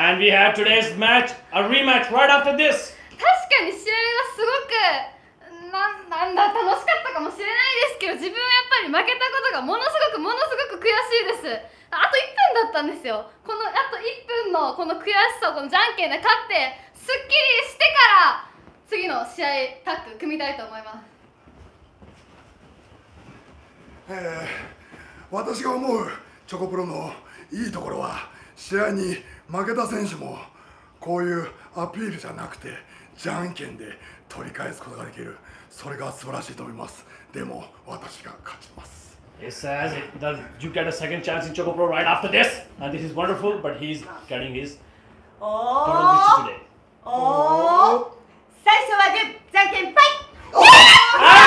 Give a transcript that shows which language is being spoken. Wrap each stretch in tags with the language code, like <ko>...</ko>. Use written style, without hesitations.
<en>And we have today's match, a rematch right after this.</en> <ja>確かに試合はすごく、なんだ楽しかったかもしれないですけど、自分はやっぱり負けたことがものすごくものすごく悔しいです。あと1分だったんですよ。このあと1分のこの悔しさを、このじゃんけんで勝って、すっきりしてから、次の試合タッグ組みたいと思います。私が思うチョコプロのいいところは、試合に負けた選手もこういうアピールじゃなくてじゃんけんで取り返すことができる。それが素晴らしいと思います。でも私が勝ちます。</ja> <en>He says that you get a second chance in チョコプロ right after this. And this is wonderful, but he's getting his promise today.</en> <ja>おお、最初はグッ、じゃんけんパイ。</ja>